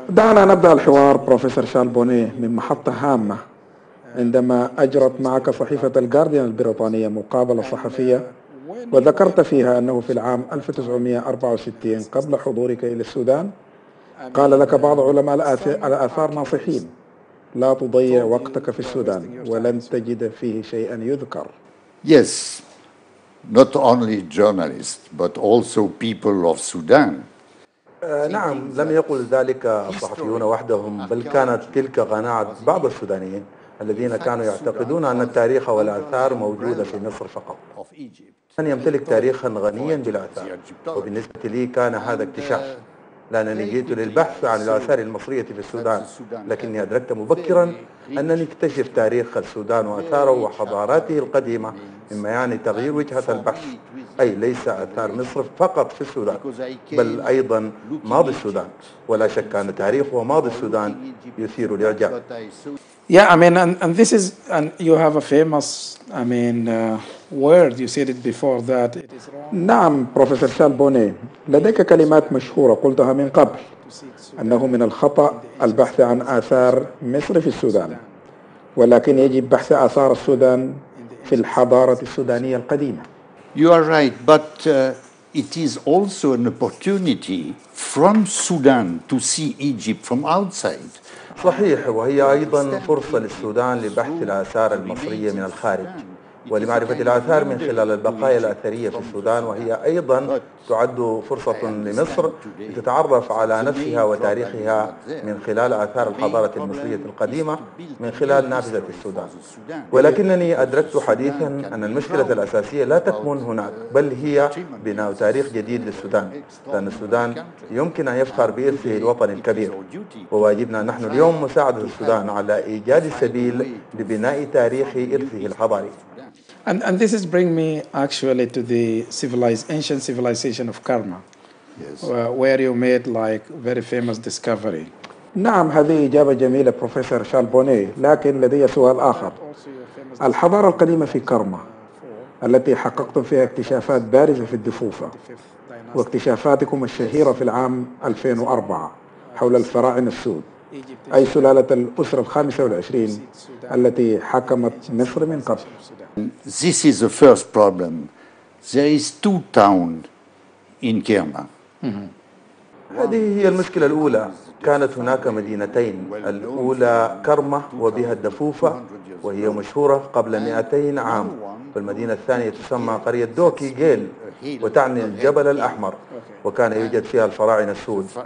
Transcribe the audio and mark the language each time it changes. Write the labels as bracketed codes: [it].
[ar] دعنا نبدأ الحوار بروفيسور شارل بوني من محطة هامة، عندما أجرت معك صحيفة الجارديان البريطانية مقابلة صحفية، وذكرت فيها أنه في العام 1964 قبل حضورك إلى السودان قال لك بعض علماء الآثار ناصحين لا تضيع وقتك في السودان ولن تجد فيه شيئا يذكر. [en] Yes, not only journalists but also people of Sudan. [ar] نعم، لم يقل ذلك صحفيون وحدهم، بل كانت تلك قناعة بعض السودانيين الذين كانوا يعتقدون أن التاريخ والآثار موجودة في مصر فقط. من يمتلك تاريخا غنيا بالآثار، وبالنسبة لي كان هذا اكتشاف، لأنني جئت للبحث عن الآثار المصرية في السودان، لكني أدركت مبكرا أنني اكتشف تاريخ السودان وآثاره وحضاراته القديمة، مما يعني تغيير وجهة البحث، أي ليس آثار مصر فقط في السودان بل أيضا ماضي السودان. ولا شك أن تاريخ وماضي السودان يثير الإعجاب. [en] Yeah, I mean, and this is, and you have a famous, I mean, word. You said it before that it is wrong. [ar] نعم، بروفيسور شارل بوني، لديك كلمات مشهورة قلتها من قبل، أنه من الخطأ البحث عن آثار مصر في السودان، ولكن يجب بحث آثار السودان في الحضارة السودانية القديمة. [en] You are right, but it is also an opportunity from Sudan to see Egypt from outside. [ar] صحيح، وهي أيضا فرصة للسودان لبحث الآثار المصرية من الخارج ولمعرفة الآثار من خلال البقايا الأثرية في السودان، وهي أيضا تعد فرصة لمصر لتتعرف على نفسها وتاريخها من خلال آثار الحضارة المصرية القديمة من خلال نافذة السودان. ولكنني أدركت حديثا أن المشكلة الأساسية لا تكمن هناك، بل هي بناء تاريخ جديد للسودان، لأن السودان يمكن أن يفخر بإرثه الوطني الكبير، وواجبنا نحن اليوم مساعدة السودان على إيجاد السبيل لبناء تاريخ إرثه الحضاري. [en] And this is bring me actually to the civilized ancient civilization of Karma. Yes. Where you made like very famous discovery. [ar] نعم، هذه إجابة جميلة بروفيسور شارل بوني، لكن لدي سؤال آخر. الحضارة القديمة في كارما التي حققتم فيها اكتشافات بارزة في الدفوفة، واكتشافاتكم الشهيرة في العام 2004 حول الفراعنة السود، أي سلالة الأسرة 25 التي حكمت مصر من قبل. [en] This is the first problem. There is two towns in Kerma. [ar] Mm-hmm. هذه هي المشكلة الأولى. كانت هناك مدينتين، الأولى كرمة وبها الدفوفة وهي مشهورة قبل 200 عام، والمدينة الثانية تسمى قرية دوكي جيل وتعني الجبل الأحمر، وكان يوجد فيها الفراعنة السود.